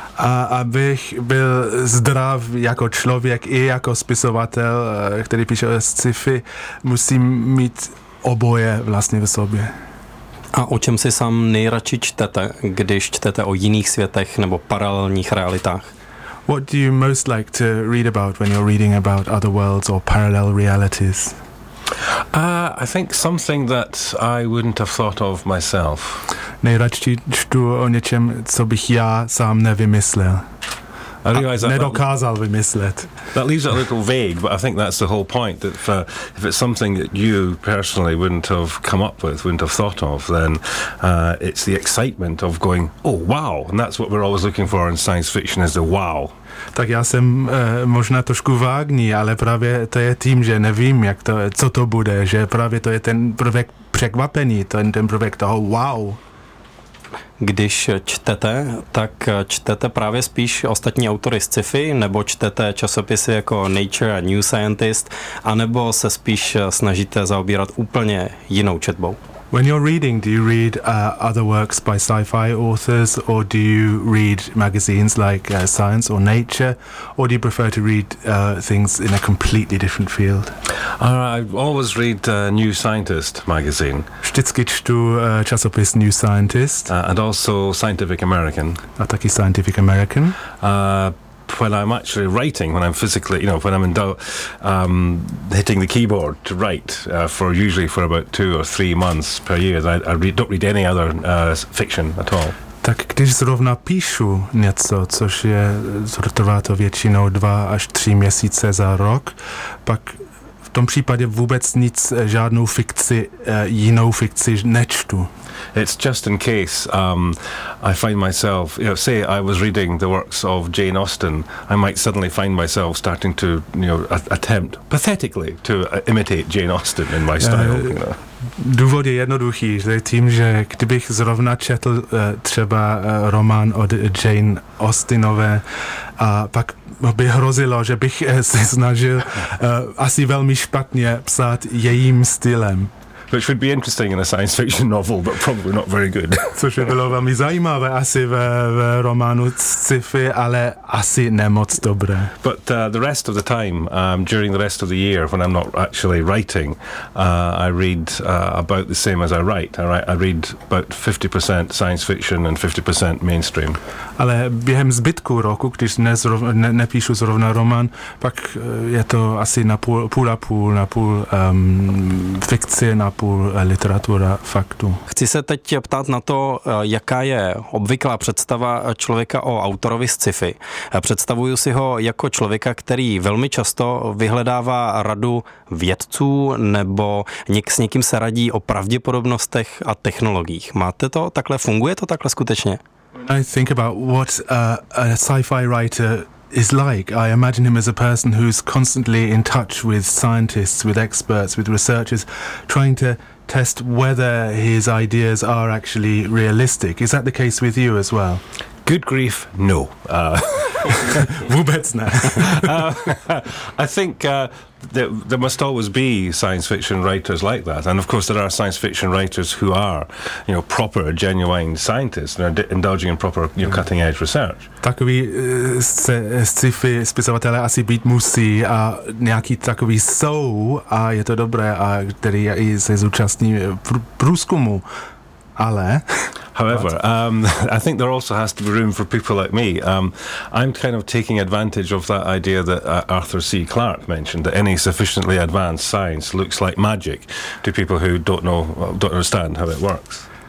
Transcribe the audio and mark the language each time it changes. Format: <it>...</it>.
<cs>A abych byl zdrav jako člověk i jako spisovatel, který píše sci-fi, musím mít oboje vlastně v sobě. A o čem si sám nejradši čtete, když čtete o jiných světech nebo paralelních realitách?</cs> <en>What do you most like to read about when you're reading about other worlds or parallel realities? I think something that I wouldn't have thought of myself.</en> <cs>Nejradši čtu o něčem, co bych já sám nevymyslel. Nedokázal vymyslet.</cs> <en>That leaves it a little vague, but I think that's the whole point, that if it's something that you personally wouldn't have come up with, wouldn't have thought of, then it's the excitement of going, oh, wow, and that's what we're always looking for in science fiction, is the wow.</en> <cs>Tak já jsem možná trošku vágní, ale právě to je tím, že nevím, co to bude, že právě to je ten prvek překvapení, ten prvek toho wow. Když čtete, tak čtete právě spíš ostatní autory sci-fi, nebo čtete časopisy jako Nature a New Scientist, anebo se spíš snažíte zaobírat úplně jinou četbou?</cs> <en>When you're reading, do you read other works by sci-fi authors, or do you read magazines like Science or Nature, or do you prefer to read things in a completely different field? I always read New Scientist magazine.</en> <cs>Vždycky čtu časopis New Scientist.</cs> <en>And also Scientific American.</en> <cs>A taky Scientific American.</cs> <en>When I'm actually writing, when I'm physically, you know, when I'm hitting the keyboard to write for about 2 or 3 months per year, don't read any other fiction at all.</en> <cs>Tak když zrovna píšu něco, což je trvá to většinou 2 až 3 měsíce za rok, pak tom případě vůbec nic, žádnou fikci, jinou fikci nečtu.</cs> <en>It's just in case I find myself, you know, say I was reading the works of Jane Austen, I might suddenly find myself starting to, you know, attempt pathetically to imitate Jane Austen in my style. You know.</en> <cs>Důvod je jednoduchý, že tím, že kdybych zrovna četl třeba román od Jane Austenové, a pak by hrozilo, že bych se snažil asi velmi špatně psát jejím stylem.</cs> <en>Which would be interesting in a science fiction novel, but probably not very good.</en> <cs>Což by bylo velmi zajímavé asi ve románu sci-fi, ale asi nemoc dobré.</cs> <en>But the rest of the time, during the rest of the year, when I'm not actually writing, I read about the same as I write. I read about 50% science fiction and 50% mainstream.</en> <cs>Ale během zbytku roku, když nepíšu zrovna román, pak je to asi na půl a půl, na půl fikci, na půl literatura faktu. Chci se teď ptát na to, jaká je obvyklá představa člověka o autorovi sci-fi. Představuju si ho jako člověka, který velmi často vyhledává radu vědců nebo s někým se radí o pravděpodobnostech a technologiích. Máte to takhle? Funguje to takhle skutečně?</cs> <en>I think about what a sci-fi writer is like. I imagine him as a person who's constantly in touch with scientists, with experts, with researchers, trying to test whether his ideas are actually realistic. Is that the case with you as well? Good grief, no.</en> <cs>Vůbec ne.</cs> <en>I think there must always be science fiction writers like that, and of course there are science fiction writers who are, you know, proper, genuine scientists and are indulging in proper, you know, cutting edge research.</en> <cs>Takový sci-fi spisovatelé asi být musí, a nějaký takový jsou, a je to dobré, a který i se zúčastní průzkumu. Ale.</cs> <en>However, I think there also has to be room for people like me. I'm kind of taking advantage of that idea that Arthur C. Clarke mentioned, that any sufficiently advanced science looks like magic to people who don't understand how it works.</en>